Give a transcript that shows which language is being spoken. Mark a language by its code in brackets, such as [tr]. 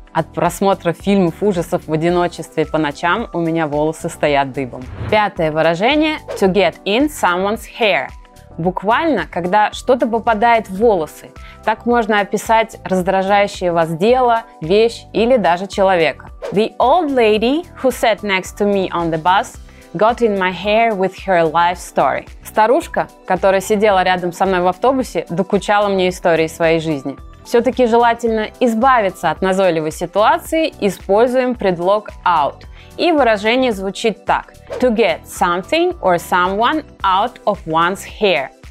[ru] От просмотра фильмов ужасов в одиночестве по ночам у меня волосы стоят дыбом. Пятое выражение – [en] to get in someone's hair. [ru] Буквально, когда что-то попадает в волосы. Так можно описать раздражающее вас дело, вещь или даже человека. [en] The old lady who sat next to me on the bus got in my hair with her life story. [ru] Старушка, которая сидела рядом со мной в автобусе, докучала мне истории своей жизни. Все-таки желательно избавиться от назойливой ситуации, используем предлог out. И выражение звучит так. [en] To get something or someone out of one's hair.